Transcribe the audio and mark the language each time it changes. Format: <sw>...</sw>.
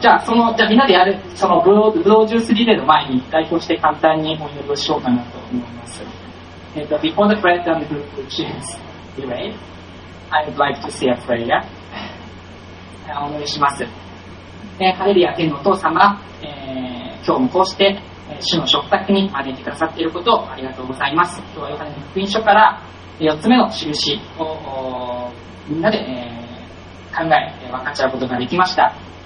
<ja>じゃあみんなでやるそのブドウジュースリレーの前に代表して簡単にお祈りしようかなと思います。</ja> <en>Before the bread and the juice relay, I would like to say a prayer.</en> <ja>お祈りします。ハレルヤ天のお父様、今日もこうして、主の食卓に招いてくださっていることをありがとうございます。今日はヨハネの福音書から4つ目の印をみんなで、考え分かち合うことができました。</ja>